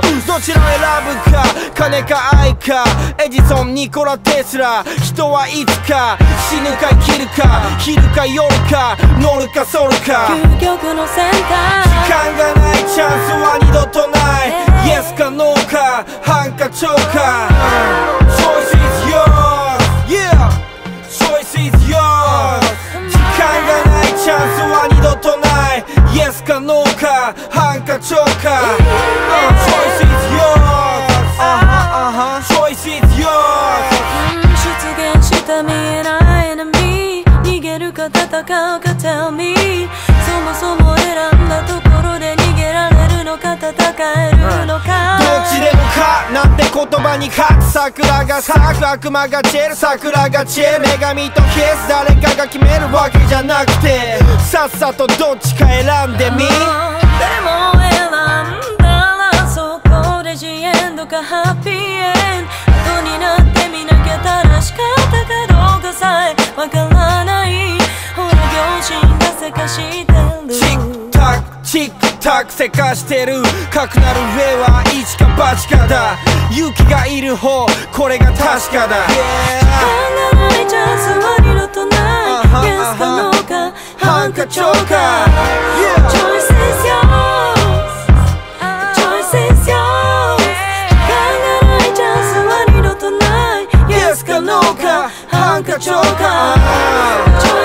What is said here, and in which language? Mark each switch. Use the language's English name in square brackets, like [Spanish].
[Japanese] どちらを選ぶか、金か愛か、エジソン、ニコラ、テスラ。人はいつか死ぬか生きるか、昼か夜か、乗るかソルか。究極の選択、時間がない、チャンスは二度とない。 [English] Yes [Japanese] か [English] No [Japanese] か、ハンカチョーか。 [English] Choice is yours, yeah, Choice is yours。 [Japanese] 時間がない、チャンスは二度とない。 [English] Yes [Japanese] か [English] No [Japanese] か、ハンカチョーか。 [English] Choice is yours, Choice is yours。 [Japanese] 出現した未来の me、 逃げるか戦うか [English] Tell me。 [Japanese] そもそも選んだところで逃げられるのか戦えるのか。なんて言葉に書く、桜が咲く、悪魔が散る、桜が散る。女神とキス、誰かが決めるわけじゃなくて、さっさとどっちか選んでみ。でも選んだらそこでジエンドかハッピーエンド。後になってみなきゃ正しかったかどうかさえわからない。ほら両親がせかしてる。チックタック、チックタック、せかしてる。かくなる上は一か八かだ。勇気がいる方、これが確かだ。時間がない、チャンスは二度とない。 [English] Yes [Japanese] か [English] No [Japanese] か、ハンカチョーか。 [English] Choice is yours, Choice is yours。 [Japanese] 時間がない、チャンスは二度とない。 [English] Yes [Japanese] か [English] No [Japanese] か、ハンカチョーか。